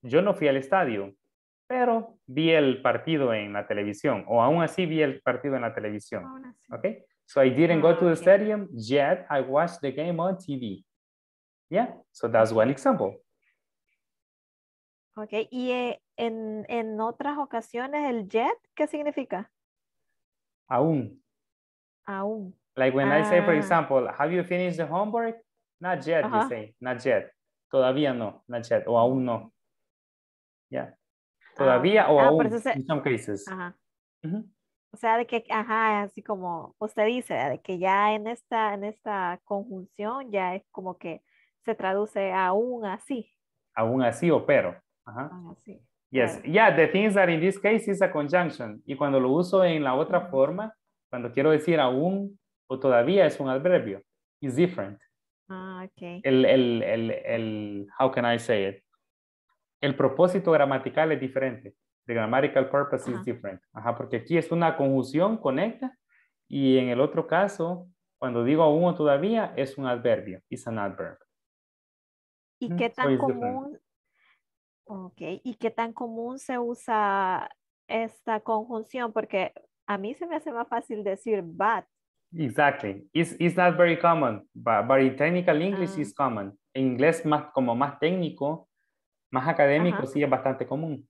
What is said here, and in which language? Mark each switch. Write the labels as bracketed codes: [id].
[es] Yo no fui al estadio, pero vi el partido en la televisión. O aún así vi el partido en la televisión. [en] Okay? So I didn't go to the stadium, yet I watched the game on TV. Yeah? So that's one example. [es] Okay, y en otras ocasiones, el jet, ¿qué significa? Aún. Aún. [en] Like when I say, for example, have you finished the homework? Not yet, uh-huh. You say, not yet. [es] Todavía no, [en] not yet, [es] o aún no. Yeah. Todavía o aún, in some cases. Uh-huh. Uh-huh. O sea, de que, ajá, así como usted dice, de que ya en esta conjunción ya es como que se traduce aún así. Aún así o pero. [en] Uh-huh. Yes, yeah, the thing is that in this case is a conjunction. [es] Y cuando lo uso en la otra forma, Cuando quiero decir aún o todavía es un adverbio. [en] It's different. Ah, okay. [es] El [en] how can I say it? [es] El propósito gramatical es diferente. [en] The grammatical purpose is different. [es] Ajá, porque aquí es una conjunción, conecta, y en el otro caso, cuando digo aún o todavía, es un adverbio. [en] It's an adverb. [es] ¿Y qué tan común se usa esta conjunción? Porque a mí se me hace más fácil decir but. [en] Exactly. It's not very common, but in technical English is common. [es] En inglés, más, como más técnico, más académico, sí es bastante común.